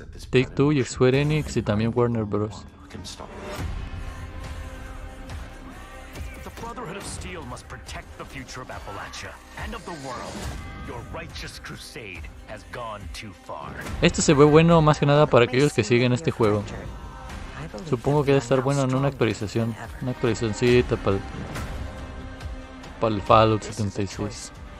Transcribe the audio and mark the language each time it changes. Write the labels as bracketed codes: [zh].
[es] Take Two y Square Enix y también Warner Bros. [en] Brotherhood of Steel must protect the future of Appalachia and of the world. Your righteous crusade has gone too far. [es] Esto se ve bueno más que nada para aquellos que siguen este juego. Supongo que debe estar bueno en una actualizacióncita para el Fallout 76.